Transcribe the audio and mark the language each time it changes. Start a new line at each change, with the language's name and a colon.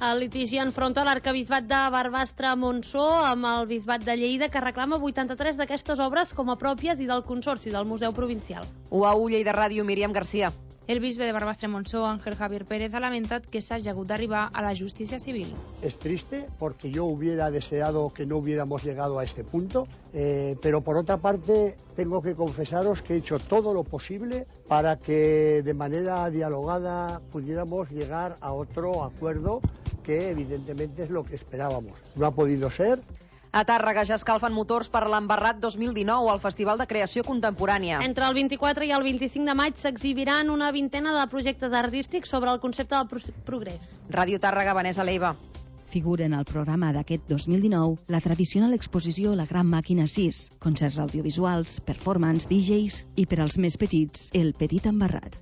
Catalan: El litigi enfronta l'arcabisbat de Barbastre-Montsó amb el bisbat de Lleida, que reclama 83 d'aquestes obres com a pròpies i del Consorci del Museu Provincial. UAU, Lleida Ràdio, Míriam García. El bisbe de Barbastre-Montsó, Ángel Javier Pérez, ha lamentat que s'hagi hagut d'arribar a la justícia civil.
Spanish: Es triste porque yo hubiera deseado que no hubiéramos llegado a este punto, pero por otra parte tengo que confesaros que he hecho todo lo posible para que de manera dialogada pudiéramos llegar a otro acuerdo que evidentemente es lo que esperábamos. No ha podido ser.
Catalan: A Tàrrega ja escalfen motors per l'Embarrat 2019 al Festival de Creació Contemporània. Entre el 24 i el 25 de maig s'exhibiran una vintena de projectes artístics sobre el concepte del progrés. Ràdio Tàrrega, Vanessa Leiva. Figura en el programa d'aquest 2019 la tradicional exposició La Gran Màquina 6, concerts audiovisuals, performance, DJs i, per als més petits, El Petit Embarrat.